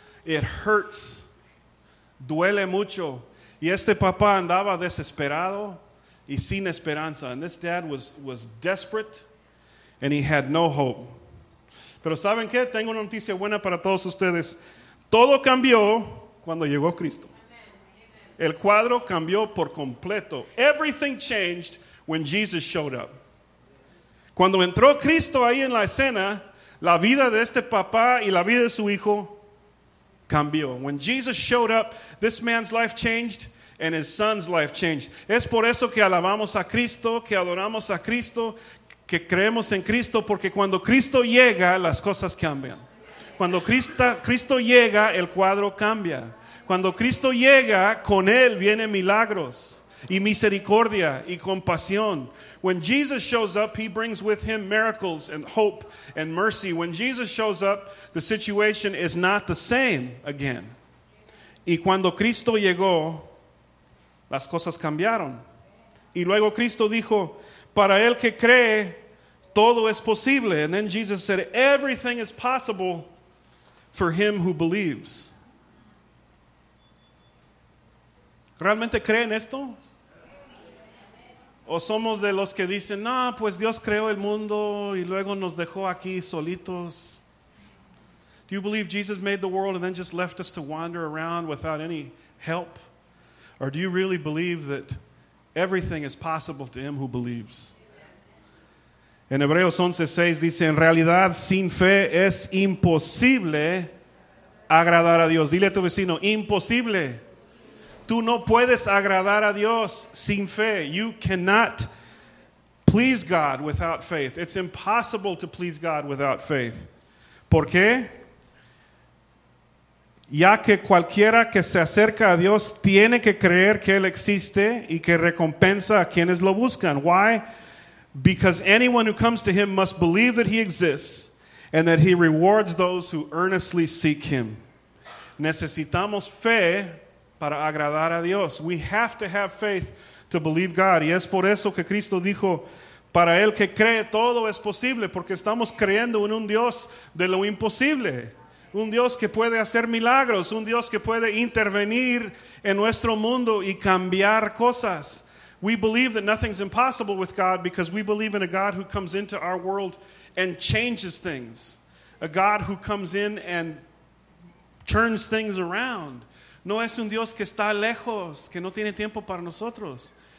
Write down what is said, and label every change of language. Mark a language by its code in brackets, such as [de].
[en] It hurts. [es] Duele mucho. Y este papá andaba desesperado y sin esperanza. [en] And this dad was desperate and he had no hope. [es] Pero ¿saben qué? Tengo una noticia buena para todos ustedes. Todo cambió cuando llegó Cristo. El cuadro cambió por completo. [en] Everything changed when Jesus showed up. [es] Cuando entró Cristo ahí en la escena, la vida de este papá y la vida de su hijo cambió. [en] When Jesus showed up, this man's life changed and his son's life changed. [es] Es por eso que alabamos a Cristo, que adoramos a Cristo, que creemos en Cristo, porque cuando Cristo llega, las cosas cambian. Cuando Cristo llega, el cuadro cambia. Cuando Cristo llega, con Él vienen milagros y misericordia y compasión. [en] When Jesus shows up, He brings with Him miracles and hope and mercy. When Jesus shows up, the situation is not the same again. [es] Y cuando Cristo llegó, las cosas cambiaron. Y luego Cristo dijo, para el que cree, todo es posible. [en] And then Jesus said, everything is possible for him who believes. [es] ¿Realmente creen esto? ¿O somos de los que dicen, no, pues Dios creó el mundo y luego nos dejó aquí solitos? [en] Do you believe Jesus made the world and then just left us to wander around without any help? Or do you really believe that everything is possible to him who believes? [es] En Hebreos 11:6 dice, en realidad sin fe es imposible agradar a Dios. Dile a tu vecino, imposible. Tú no puedes agradar a Dios sin fe. [en] You cannot please God without faith. It's impossible to please God without faith. [es] ¿Por qué? Ya que cualquiera que se acerca a Dios tiene que creer que Él existe y que recompensa a quienes lo buscan. [en] Why? Because anyone who comes to him must believe that he exists and that he rewards those who earnestly seek him. [es] Necesitamos fe para agradar a Dios. [en] We have to have faith to believe God. [es] Y es por eso que Cristo dijo, para el que cree todo es posible, porque estamos creyendo en un Dios de lo imposible. un Dios que puede hacer milagros, un Dios que puede intervenir en nuestro mundo y cambiar cosas. [en] We believe that nothing's impossible with God because we believe in a God who comes into our world and changes things. A God who comes in and turns things around. [es] No es un Dios que está lejos, que no tiene tiempo para nosotros.